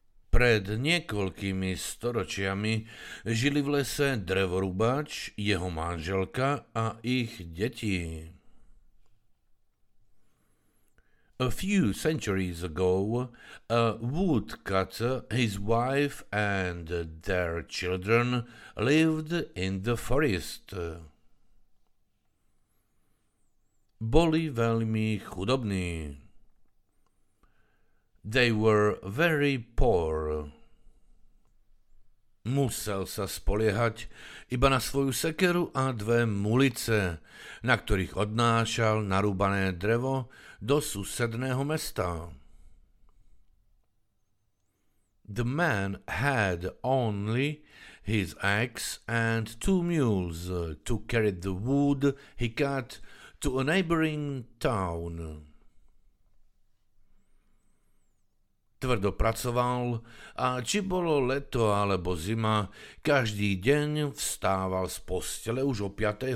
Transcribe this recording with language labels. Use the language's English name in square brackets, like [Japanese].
[Slovak] Pred niekoľkými storočiami žili v lese drevorubáč, jeho manželka a ich deti. [English] A few centuries ago, a woodcutter, his wife and their children lived in the forest. [Slovak] Boli veľmi chudobní. [English] They were very poor. [Slovak] Musel sa spoliehať iba na svoju sekeru a dve mulice, na ktorých odnášal narúbané drevo do susedného mesta. [English] The man had only his axe and two mules to carry the wood he cut to a neighboring town. [Slovak] Tvrdo pracoval a či bolo leto alebo zima, každý deň vstával z postele už o 5.